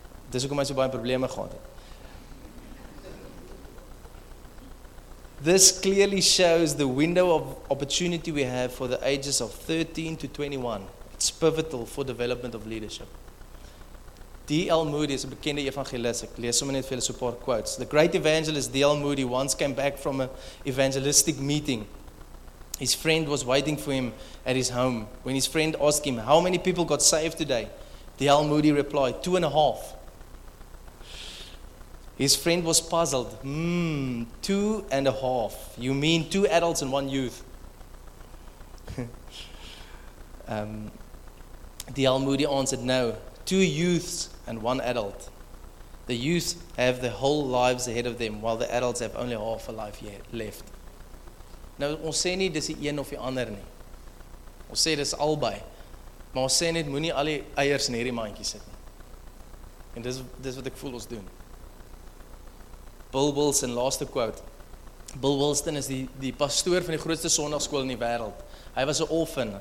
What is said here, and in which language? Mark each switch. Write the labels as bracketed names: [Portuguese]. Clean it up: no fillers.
[Afrikaans] Dis ook om hy so baie probleme gehad het. [English] This clearly shows the window of opportunity we have for the ages of 13 to 21. It's pivotal for development of leadership. D.L. Moody is a bekende evangelist. [Afrikaans] Ek lees sommer net vir julle so 'n paar quotes. [English] The great evangelist D.L. Moody once came back from an evangelistic meeting. His friend was waiting for him at his home. When his friend asked him, how many people got saved today? D.L. Moody replied, 2.5. His friend was puzzled. 2.5. You mean 2 adults and 1 youth. D.L. Moody answered, no. 2 youths and 1 adult. The youth have their whole lives ahead of them, while the adults have only half a life yet left. [Afrikaans] Nou, ons sê nie, dis die een of die ander nie. Ons sê, dis albei. Maar ons sê net, moenie al die eiers in hierdie mandjie sit nie. En dis wat ek voel ons doen. Bill Wilson, laaste quote. Bill Wilson is die pastoor van die grootste sonnaarskool in die wêreld. Hy was 'n orphan.